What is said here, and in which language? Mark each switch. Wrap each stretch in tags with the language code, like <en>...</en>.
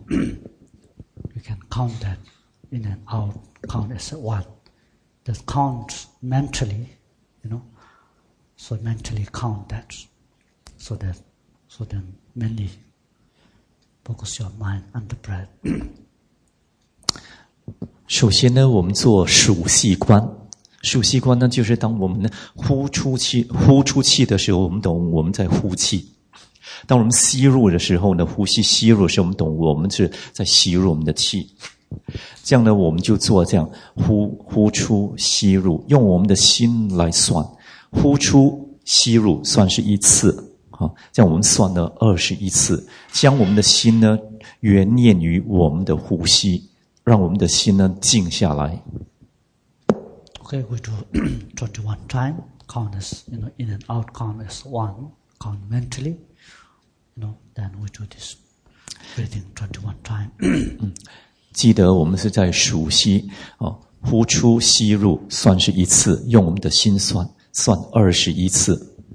<en>You can count that in and out, count as 1. That count mentally, you know, so mentally count that, so then mainly focus your mind on the breath.</en> <zh>首先呢，我们做数息观。数息观呢，就是当我们呼出气的时候，我们懂我们在呼气。当我们吸入的时候呢，呼吸吸入的时候，我们懂我们是在吸入我们的气。这样呢，我们就做这样呼出吸入，用我们的心来算，呼出吸入算是一次，这样我们算了21次，将我们的心呢原念于我们的呼吸，让我们的心呢静下来。</zh> <en>OK, we do 21 time, count as, you know, in and out, count as 1, count mentally, you know, then we do this breathing 21 time.</en> <zh>记得我们是在数息，呼出吸入算是一次，用我们的心算21次。</zh>